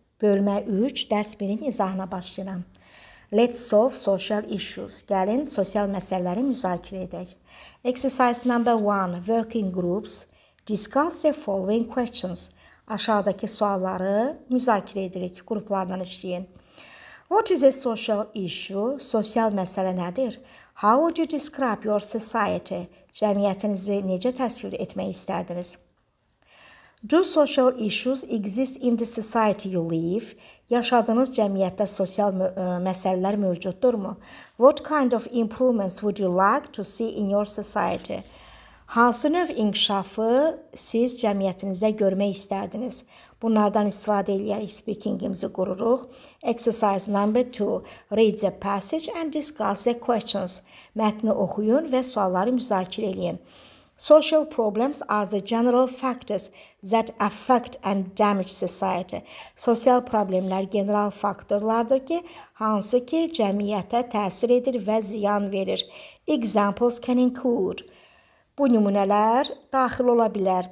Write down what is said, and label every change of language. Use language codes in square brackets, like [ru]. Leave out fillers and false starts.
[az] Bölmə 3, dərs 1-in izahına başlayıram. [en] Let's solve social issues. [az] Gəlin sosial məsələləri müzakirə edək. [en] Exercise number 1, working groups. Discuss the following questions. [az] Aşağıdakı sualları müzakirə edirik. Qruplarla işləyin. [en] What is a social issue? [az] Sosial məsələ nədir? [en] How would you describe your society? [az] Cəmiyyətinizi necə təsvir etmək istərdiniz? [en] Do social issues exist in the society you live? [az] Yaşadığınız cəmiyyətdə sosial məsələlər mövcuddurmu? [en] What kind of improvements would you like to see in your society? [az] Hansı növ inkişafı siz cəmiyyətinizdə görmək istərdiniz? Bunlardan istifadə edərək speakingimizi qururuq. [en] Exercise number 2. Read the passage and discuss the questions. [az] Mətni oxuyun və sualları müzakirə edin. [en] Social problems are the general factors that affect and damage society. [az] Sosial problemlər general faktorlardır ki, hansı ki cəmiyyətə təsir edir və ziyan verir. [en] Examples can include. [az] Bu nümunələr daxil ola bilər.